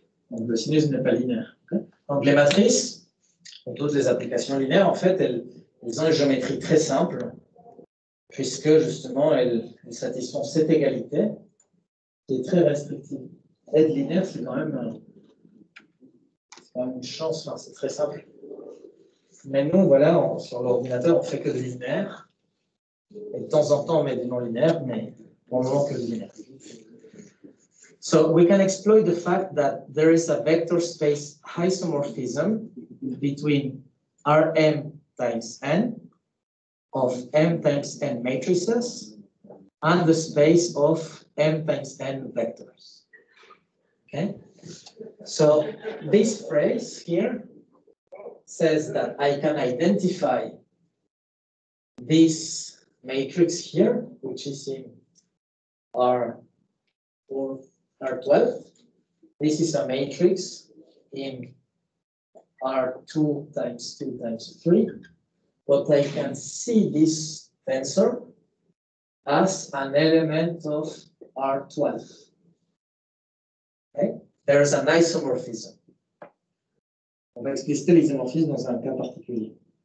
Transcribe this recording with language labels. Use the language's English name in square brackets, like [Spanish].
[French] Donc le sinus n'est pas linéaire. Donc les matrices, pour toutes les applications linéaires, en fait, elles ont une géométrie très simple, puisque justement, elles satisfont cette égalité qui est très restrictive. Aide linéaire, c'est quand même une chance, enfin, c'est très simple. Mais nous, voilà, sur l'ordinateur, on fait que du linéaire. Et de temps en temps, on met du non-linéaire, mais pour le moment, que du linéaire. [English] So we can exploit the fact that there is a vector space isomorphism between Rm times n of m times n matrices and the space of m times n vectors. Okay? So this phrase here says that I can identify this matrix here, which is in R12. This is a matrix in R2 times 2 times 3, but I can see this tensor as an element of R12. Okay? There is an isomorphism. [French] On va expliciter l'isomorphisme dans un cas particulier.